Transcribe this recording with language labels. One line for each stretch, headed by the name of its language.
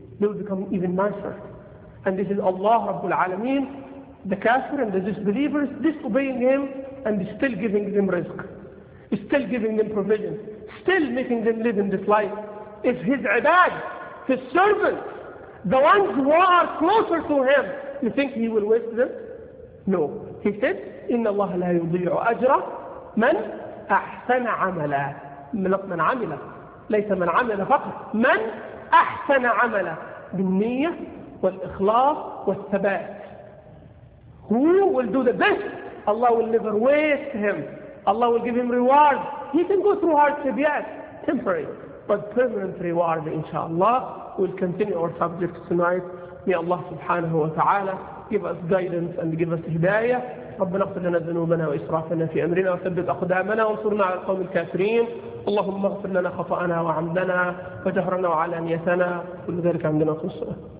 English: They will become even nicer. And this is Allah Rabbul Alameen, the kafir and the disbelievers, disobeying Him and still giving them rizq, still giving them provision, still making them live in this life. If His ibad, His servants, the ones who are closer to Him, you think He will waste them? No. He said,
Arabic: إِنَّ اللَّهَ لَا يُضِيعُ أَجْرَ مَنْ أَحْسَنَ عَمَلًا. من عمل ليس من عمل فقط, من أحسن عمل بالنية والإخلاص والثبات.
English: Who will do the best? Allah will never waste him. Allah will give him reward. He can go through hardship, yes, temporary, but permanent reward, inshallah. We'll continue our subject tonight. May Allah subhanahu wa ta'ala give us guidance and give us hidayah.
Arabic: ربنا اغفر لنا ذنوبنا وإسرافنا في أمرنا وثبت أقدامنا وانصرنا على القوم الكافرين. اللهم اغفر لنا خطأنا وعمدنا وجهرنا وعلانيتنا, كل ذلك عندنا خصوصا.